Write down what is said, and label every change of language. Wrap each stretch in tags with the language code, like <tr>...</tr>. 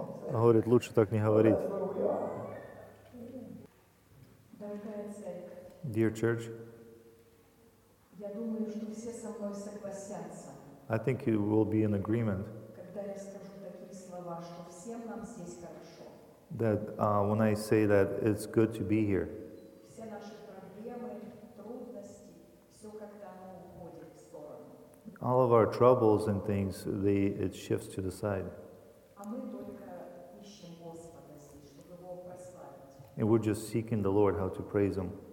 <ru>Говорит, лучше так не говорить.</ru> <en>Dear Church,</en> <ru>я думаю, что все со мной согласятся.</ru> <en>I think you will be in agreement.</en> <ru>Когда я скажу такие слова, что всем нам здесь хорошо.</ru> <en>That when I say that it's good to be here.</en> <ru>Все наши проблемы, трудности, все как-то оно уходит в сторону.</ru> <en>All of our troubles and things, it shifts to the side. And we're just seeking the Lord how to praise Him.</en>